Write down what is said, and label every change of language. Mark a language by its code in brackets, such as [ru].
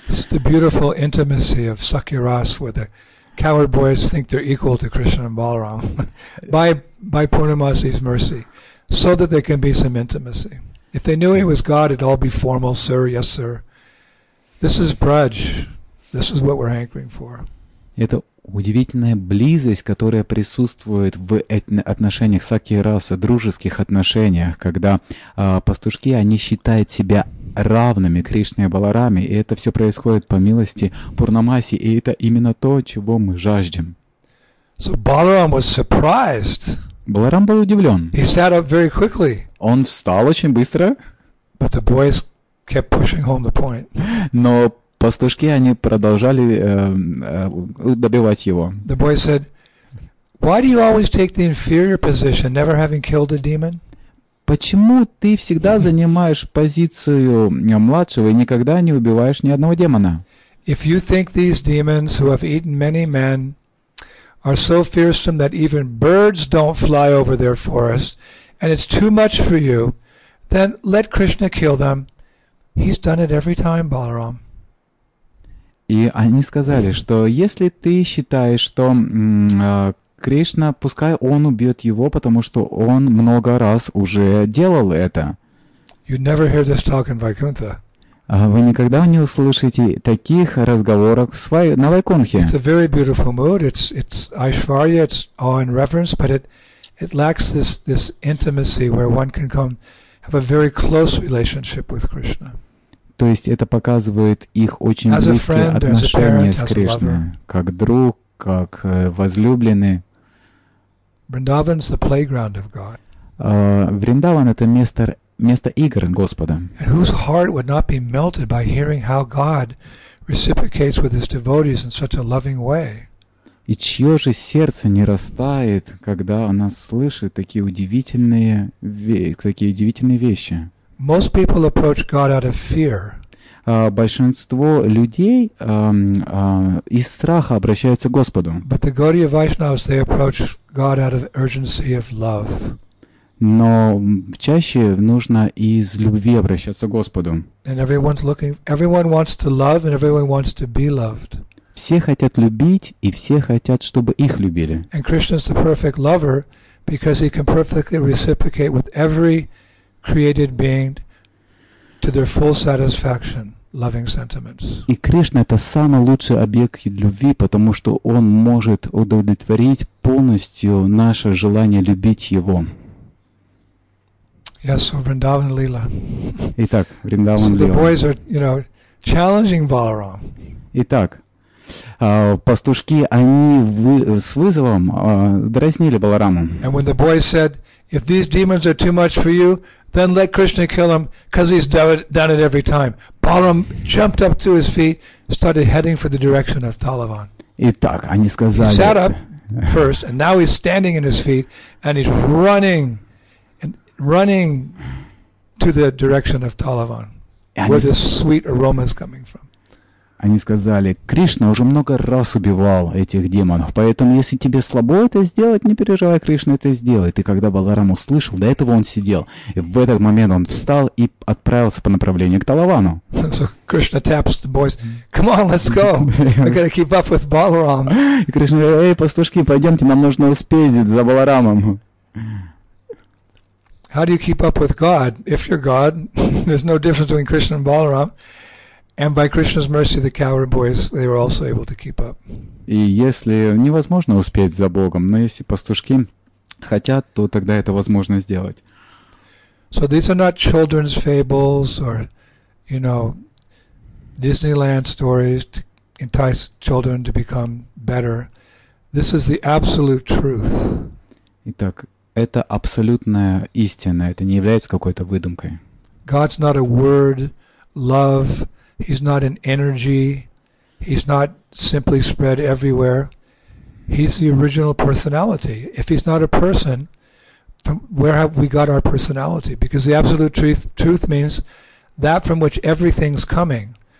[en] It's the beautiful intimacy of Sakyaras, where the coward boys think they're equal to Krishna and Balaram by Purnamasi's mercy, so that there can be some intimacy. If they knew he was God, it'd all be formal, sir, yes, sir. This is Braj. This is what we're hankering for. [ru] Это удивительная близость, которая присутствует в отношениях сакья-расы, дружеских отношениях, когда пастушки, они считают себя равными Кришне и Баларами, и это все происходит по милости Пурнамаси, и это именно то, чего мы жаждем. [en] So Balaram was surprised. [ru] Баларам был удивлен. [en] He sat up very quickly. [ru] Он встал очень быстро. [en] But the boys kept pushing home the point. [ru] Но пастушки, они продолжали добивать его. [en] The boy said, "Why do you always take the inferior position, never having killed a demon?" [ru] Почему ты всегда занимаешь позицию младшего и никогда не убиваешь ни одного демона? [en] If you think these demons who have eaten many men are so fearsome that even birds don't fly over their forest, and it's too much for you, then let Krishna kill them. He's done it every time, Balaram. [ru] И они сказали, что если ты считаешь, что Кришна, пускай он убьет его, потому что он много раз уже делал это. [en] You'd never hear this talk in Vaikuntha. [ru] Вы никогда не услышите таких разговоров на Вайкунхе. [en] It's a very beautiful mood. It's Aishwarya, it's awe and reverence, but it lacks this intimacy where one can come have a very close relationship with Krishna. [ru] То есть это показывает их очень [en] as [ru] близкие [en] friend, [ru] отношения [en] parent, [ru] с Кришной, как друг, как возлюбленный. [en] Vrindavan's the playground of God. [ru] Вриндаван — это место место игр Господа. [en] And whose heart would not be melted by hearing how God reciprocates with his devotees in such a loving way? [ru] И чье же сердце не растает, когда она слышит такие удивительные вещи? [en] Most people approach God out of fear. [ru] Большинство людей из страха обращаются к Господу. [en] But the Gaudiya Vaishnavas, they approach God out of urgency of love. [ru] Но чаще нужно из любви обращаться к Господу. [en] And everyone's looking, everyone wants to love, and everyone wants to be loved. [ru] Все хотят любить, и все хотят, чтобы их любили. [en] And Krishna's the perfect lover, because he can perfectly reciprocate with every created being to their full satisfaction, loving sentiments. [ru] И Кришна — это самый лучший объект любви, потому что он может удовлетворить полностью наше желание любить его. [en] Yes, so Vrindavan Lila. [ru] Итак, Vrindavan Lila. [en] So the boys are, you know, challenging Balaram. [ru] Итак, пастушки, они с вызовом дразнили Балараму. [en] And when the boys said, if these demons are too much for you, then let Krishna kill him, because he's done it every time. Balaram jumped up to his feet, started heading for the direction of Talavan. [ru] Итак, они сказали. [en] He sat up first, and now he's standing in his feet, and he's running. Running to the direction of Talavan, where this sweet aroma is coming from. [ru] Они сказали, Кришна уже много раз убивал этих демонов, поэтому если тебе слабо это сделать, не переживай, Кришна это сделает. И когда Баларам услышал, до этого он сидел, и в этот момент он встал и отправился по направлению к Талавану. [en] So Krishna taps the boys, come on, let's go, we gotta keep up with Balaram. [ru] И Кришна говорит, эй, пастушки, пойдемте, нам нужно успеть за Баларамом. [en] How do you keep up with God? If you're God, there's no difference between Krishna and Balaram. And by Krishna's mercy, the coward boys, they were also able to keep up. [ru] И если невозможно успеть за Богом, но если пастушки хотят, то тогда это возможно сделать. [en] So these are not children's fables or, you know, Disneyland stories to entice children to become better. This is the absolute truth. [ru] Итак, это абсолютная истина, это не является какой-то выдумкой. [en] God's not a word, love, he's not an energy, he's not simply spread everywhere. He's the original personality. If he's not a person, from where have we got our personality? Because the absolute truth means that from which everything's coming.